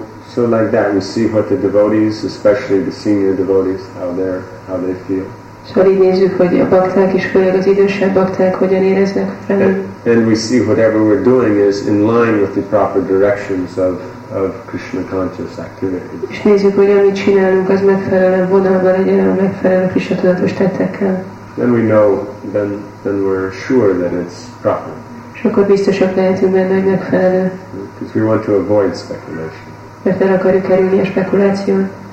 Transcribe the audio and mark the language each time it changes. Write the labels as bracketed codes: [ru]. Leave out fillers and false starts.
[en] So like that we see what the devotees, especially the senior devotees, how they feel. [hu] Szóval így nézzük, hogy a bakták is, főleg az idősebb bakták hogyan éreznek felé. [en] And we see whatever we're doing is in line with the proper directions of Krishna conscious activity. [hu] És nézzük, hogy amit csinálunk, az megfelelő vonalban legyen, a megfelelő Krishna tudatos tettekkel. [en] Then we know, then we're sure that it's proper. [hu] És akkor biztosak lehetünk benne, hogy megfelelő. [en] Because we want to avoid speculation. [hu] Mert el akarjuk kerülni a spekulációt.